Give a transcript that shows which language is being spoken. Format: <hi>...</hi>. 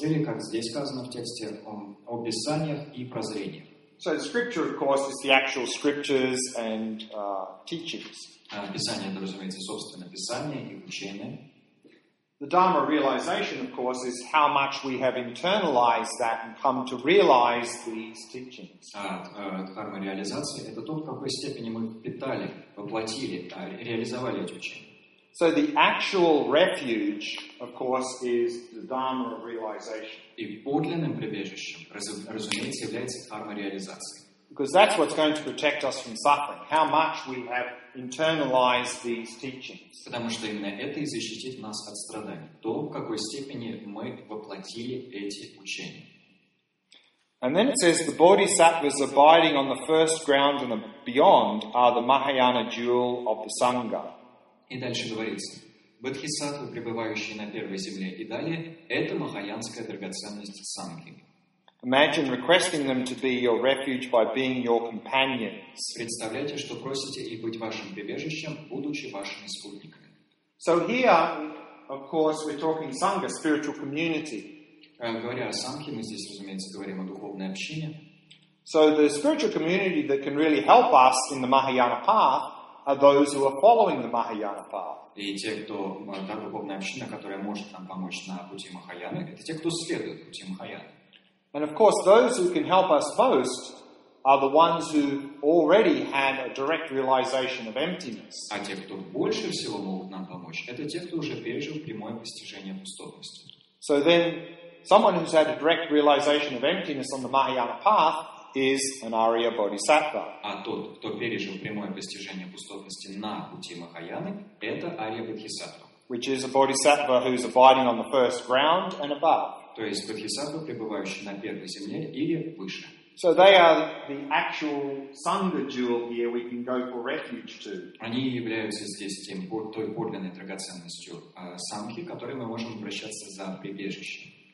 <ru>Или, как здесь сказано в тексте, о писаниях и прозрениях.</ru> <en>So the scripture, of course, is the actual scriptures and teachings.</en> <ru>Писание — это, разумеется, собственно, писание и учение.</ru> <en>The Dharma realization, of course, is how much we have internalized that and come to realize these teachings.</en> <ru>Дхарма реализации — это то, в какой степени мы впитали, воплотили, реализовали эти учения.</ru> <en>So the actual refuge, of course, is the Dharma of realization.</en> <ru>И подлинным прибежищем, разумеется, является Дхарма реализации.</ru> <en>Because that's what's going to protect us from suffering. How much we have internalized these teachings.</en> <ru>Потому что именно это и защитит нас от страданий. То, в какой степени мы воплотили эти учения.</ru> <en>And then it says, the bodhisattvas abiding on the first ground and beyond are the Mahayana jewel of the Sangha.</en> <ru>И дальше говорится, бодхисаттвы, пребывающие на первой земле и далее, это махаянская драгоценность Сангхи.</ru> <en>Imagine requesting them to be your refuge by being your companions.</en> <ru>Представляете, что просите их быть вашим прибежищем, будучи вашими спутниками.</ru> <en>So here, of course, we're talking Sangha, spiritual community.</en> <ru>Говоря о Сангхе, мы здесь, разумеется, говорим о духовной общине.</ru> <en>So the spiritual community that can really help us in the Mahayana path are those who are following the Mahayana path.</en> <ru>И те, кто, та духовная община, которая может нам помочь на пути Махаяны, это те, кто следует пути Махаяны.</ru> <en>And of course, those who can help us most are the ones who already had a direct realization of emptiness.</en> <ru>А те, кто больше всего могут нам помочь, это те, кто уже пережил прямое постижение пустотности.</ru> <en>So then, someone who's had a direct realization of emptiness on the Mahayana path is an Arya Bodhisattva.</en> <ru>А тот, кто пережил прямое постижение пустотности на пути Махаяны, это Арья Бодхисаттва.</ru> <en>Which is a Bodhisattva who's abiding on the first ground and above.</en> <ru>То есть бодхисаттва, пребывающий на первой земле или выше.</ru> <en>So they are the actual sangha jewel here we can go for refuge to.</en> <ru>Они являются здесь тем той подлинной драгоценностью сангхи, которой мы можем обращаться за прибежищем.</ru>